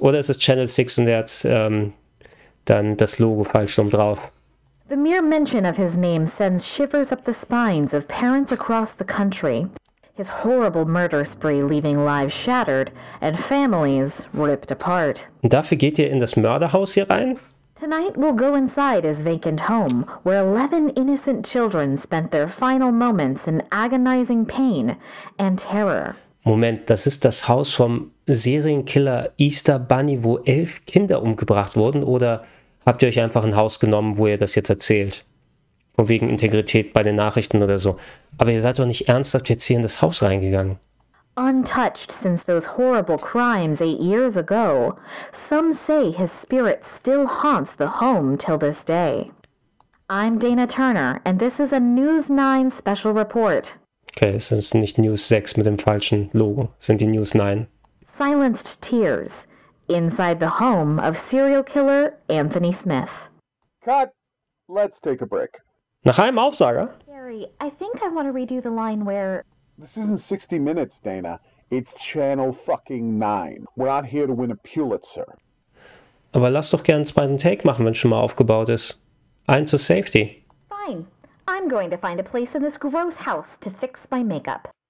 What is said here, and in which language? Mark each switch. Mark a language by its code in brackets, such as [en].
[de] Oder ist es Channel 6 und der hat dann das Logo falsch rum drauf. [en] The mere mention of his name sends shivers up the spines of parents across the country. His horrible murder spree leaving lives shattered and families ripped apart. [de] Und dafür geht ihr in das Mörderhaus hier rein? [en] Tonight we'll go inside his vacant home, where 11 innocent children spent their final moments in agonizing pain and terror. [de] Moment, das ist das Haus vom Serienkiller Easter Bunny, wo 11 Kinder umgebracht wurden? Oder habt ihr euch einfach ein Haus genommen, wo ihr das jetzt erzählt? Von wegen Integrität bei den Nachrichten oder so. Aber ihr seid doch nicht ernsthaft jetzt hier in das Haus reingegangen. [en] Untouched since those horrible crimes 8 years ago, some say his spirit still haunts the home till this day. I'm Dana Turner and this is a News 9 special report. [de] Okay, es ist nicht News 6 mit dem falschen Logo, es sind die News 9. [en] Silenced tears inside the home of serial killer Anthony Smith. Cut. Let's take a break. [de] Nach einem Aufsager? [en] Gary, I think I want to redo the line where... This isn't 60 Minutes, Dana. It's Channel fucking 9. We're not here to win a Pulitzer. [de] Aber lass doch gern einen zweiten Take machen, wenn schon mal aufgebaut ist. Ein zur Safety. [en] Fine. I'm going to find a place in this gross house to fix my makeup.